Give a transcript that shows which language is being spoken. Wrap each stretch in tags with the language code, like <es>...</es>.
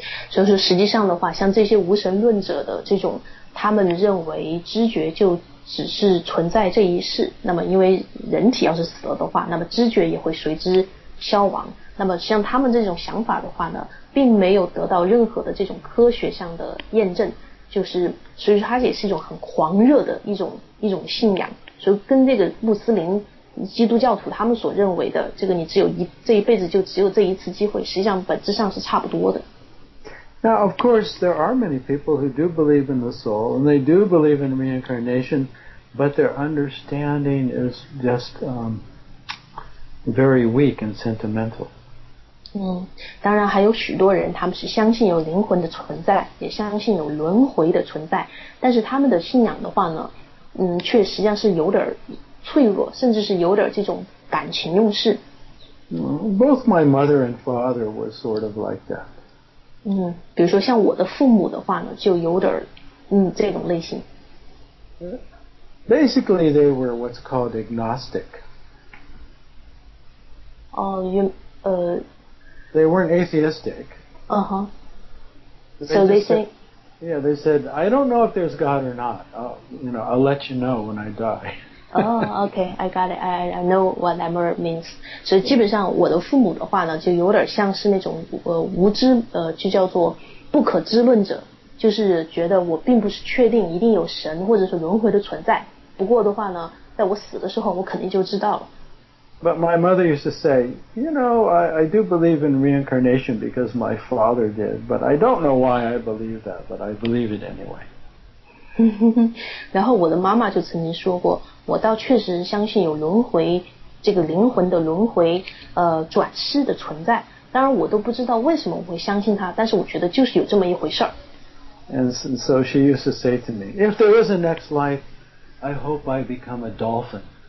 <zh>就是实际上的话，像这些无神论者的这种，他们认为知觉就只是存在这一世，那么因为人体要是死了的话，那么知觉也会随之消亡，那么像他们这种想法的话呢，并没有得到任何的这种科学上的验证，就是所以说它也是一种很狂热的一种信仰，所以跟这个穆斯林基督教徒他们所认为的这个你只有这一辈子就只有这一次机会，实际上本质上是差不多的。</zh> <en>Now, of course, there are many people who do believe in the soul, and they do believe in reincarnation, but their understanding is just very weak and sentimental.</en> <zh>当然还有许多人，他们是相信有灵魂的存在，也相信有轮回的存在，但是他们的信仰的话呢，却实际上是有点脆弱，甚至是有点这种感情用事。</zh> <en>Both my mother and father were sort of like that.</en> <zh>比如说像我的父母的话呢，就有点这种类型。</zh> <en>Basically, they were what's called agnostic. They weren't atheistic. So they say. Yeah, they said, I don't know if there's God or not. I'll let you know when I die. I got it. I know what that word means.</en> <zh>所以基本上我的父母的话呢，就有点像是那种无知，就叫做不可知论者，就是觉得我并不是确定一定有神或者是轮回的存在。不过的话呢，在我死的时候，我肯定就知道了。</zh> <en>But my mother used to say, you know, I do believe in reincarnation because my father did, but I don't know why I believe that, but I believe it anyway.</en> <zh>然后我的妈妈就曾经说过，我倒确实相信有轮回，这个灵魂的轮回，转世的存在。当然我都不知道为什么我会相信它，但是我觉得就是有这么一回事儿。</zh> <en>And so she used to say to me, if there is a next life, I hope I become a dolphin.</en>